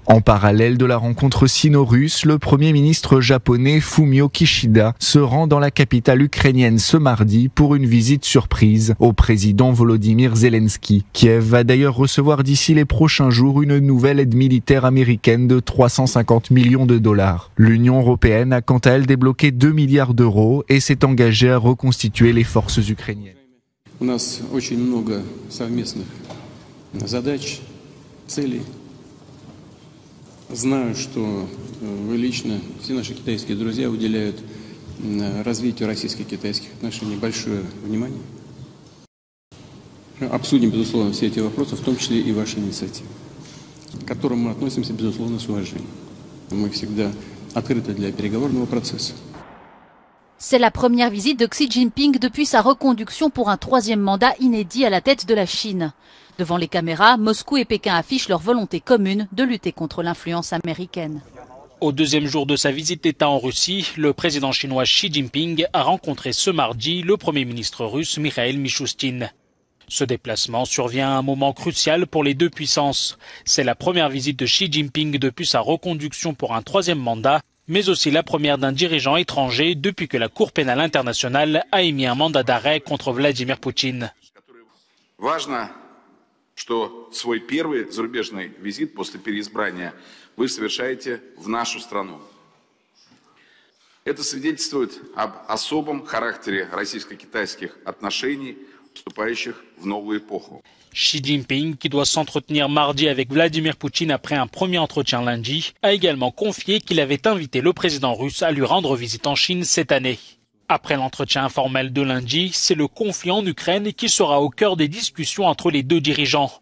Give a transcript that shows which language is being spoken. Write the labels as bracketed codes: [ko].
[fr] En parallèle de la rencontre sino-russe, le premier ministre japonais Fumio Kishida se rend dans la capitale ukrainienne ce mardi pour une visite surprise au président Volodymyr Zelensky. Kiev va d'ailleurs recevoir d'ici les prochains jours une nouvelle aide militaire américaine de 350 millions de dollars. L'Union européenne a quant à elle débloqué 2 milliards d'euros et s'est engagée à reconstituer les forces ukrainiennes. [ru] У нас очень много совместных задач, целей. Знаю, что вы лично, все наши китайские друзья уделяют развитию российско-китайских отношений большое внимание. Обсудим, безусловно, все эти вопросы, в том числе и ваши инициативы, к которым мы относимся, безусловно, с уважением. Мы всегда открыты для переговорного процесса. [fr] C'est la première visite de Xi Jinping depuis sa reconduction pour un troisième mandat inédit à la tête de la Chine. Devant les caméras, Moscou et Pékin affichent leur volonté commune de lutter contre l'influence américaine. Au deuxième jour de sa visite d'État en Russie, le président chinois Xi Jinping a rencontré ce mardi le premier ministre russe Mikhail Mishustin. Ce déplacement survient à un moment crucial pour les deux puissances. C'est la première visite de Xi Jinping depuis sa reconduction pour un troisième mandat, mais aussi la première d'un dirigeant étranger depuis que la Cour pénale internationale a émis un mandat d'arrêt contre Vladimir Poutine. [ru] Важно, что свой первый зарубежный визит после переизбрания вы совершаете в нашу страну. Это свидетельствует об особом характере российско-китайских отношений, вступающих в новую эпоху. [fr] Xi Jinping, qui doit s'entretenir mardi avec Vladimir Poutine après un premier entretien lundi, a également confié qu'il avait invité le président russe à lui rendre visite en Chine cette année. Après l'entretien informel de lundi, c'est le conflit en Ukraine qui sera au cœur des discussions entre les deux dirigeants.